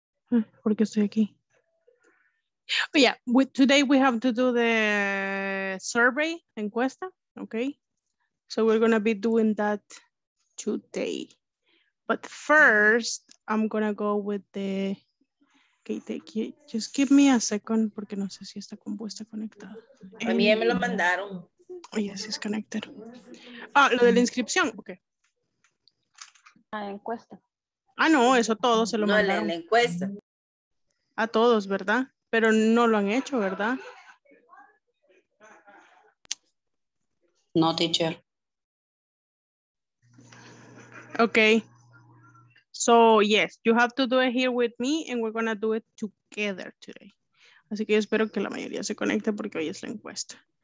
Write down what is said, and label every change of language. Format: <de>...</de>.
<es>¿Por qué estoy aquí?</es> <en>Yeah, today we have to do the survey, encuesta, okay? So we're going to be doing that today. But first, I'm going to go with the... Okay, thank you. Just give me a second,</en> <es>porque no sé si está compuesta conectada. A mí ya me lo mandaron.</es> <en>Oh, yes, it's connected. Ah,</en> <es>lo de la inscripción,</es> <en>okay.</en> <es>La encuesta. Ah, no, eso todo se lo mandaron. No, la encuesta. A todos, ¿verdad? Pero no lo han hecho, ¿verdad? No, teacher.</es> <en>Okay. So, yes, you have to do it here with me and we're going to do it together today.</en> <es>Así que yo espero que la mayoría se conecte porque hoy es la encuesta.</es>